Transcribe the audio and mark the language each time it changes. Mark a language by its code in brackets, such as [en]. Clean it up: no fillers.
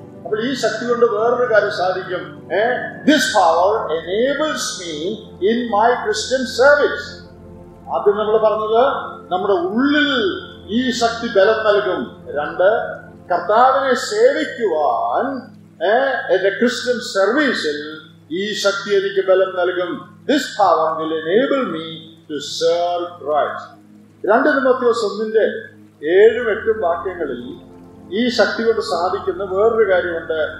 [ml] അപ്പോൾ ഈ ശക്തി കൊണ്ട് വേറൊരു കാര്യം സാധിക്കും. [en] This power enables me in my Christian service. [ml] ആദ്യം നമ്മൾ പറഞ്ഞത് നമ്മുടെ ഉള്ളിൽ ഈ ശക്തി ബലം നൽകും. 2, കർത്താവിനെ സേവിക്കുവാൻ എന്റെ ക്രിസ്ത്യൻ സർവീസിൽ ഈ ശക്തി എനിക്ക് ബലം നൽകും. [en] This power will enable me to serve Christ. [ml] 2 Timotheos 1:7-8 വാക്യങ്ങളിൽ ഈ ശക്തി കൊണ്ട് സാധിക്കുന്ന വേറൊരു കാര്യമുണ്ട്.